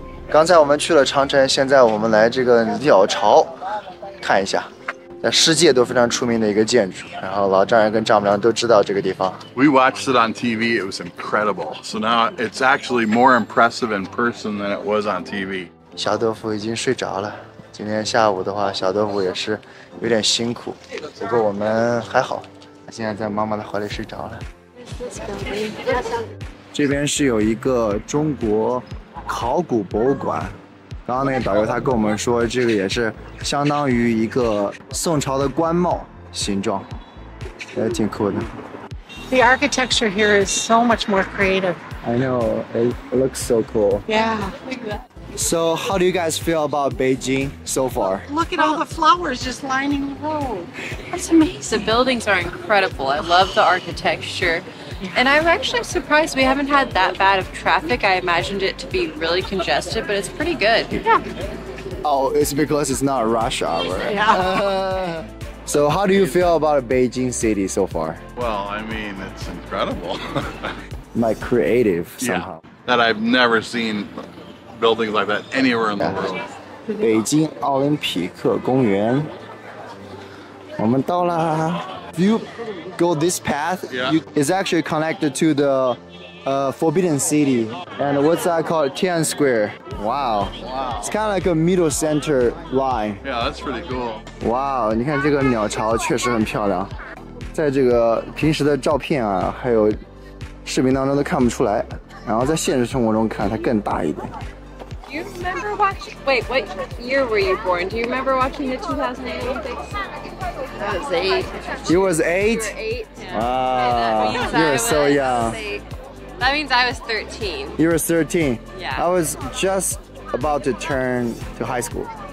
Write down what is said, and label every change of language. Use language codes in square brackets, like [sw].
[zh] 刚才我们去了长城，现在我们来这个鸟巢看一下，在世界都非常出名的一个建筑。然后老丈人跟丈母娘都知道这个地方。 [en] We watched it on TV. It was incredible. So now it's actually more impressive in person than it was on TV. [zh] 小豆腐已经睡着了。今天下午的话，小豆腐也是有点辛苦，不过我们还好，现在在妈妈的怀里睡着了。这边是有一个中国。考古博物馆，刚刚那个导游他跟我们说，这个也是相当于一个宋朝的官帽形状，也挺酷的。 [en] The architecture here is so much more creative. I know, it looks so cool. Yeah. So how do you guys feel about Beijing so far? Look at all the flowers just lining the road. That's amazing. The buildings are incredible. I love the architecture. And I'm actually surprised we haven't had that bad of traffic. I imagined it to be really congested, but it's pretty good. Yeah. Oh, it's because it's not rush hour. Yeah. So how do you feel about Beijing city so far? Well, I mean, it's incredible. My creative somehow. Yeah, that I've never seen buildings like that anywhere in the world. [zh] 北京奥林匹克公园我们到了。 [en] If you go this path, it's actually connected to the Forbidden City. And what's that called? Tian Square. Wow. It's kind of like a middle center line. Yeah, that's pretty cool. Wow, [zh] 你看这个鸟巢确实很漂亮。在这个平时的照片啊，还有视频当中都看不出来。然后在现实生活中看它更大一点。 [en] Do you remember watching, wait, what year were you born? Do you remember watching the 2008 Olympics? I was eight. You was eight? You were eight, yeah. Wow, you were so young. That means I was 13. You were 13? Yeah. I was just about to turn to high school.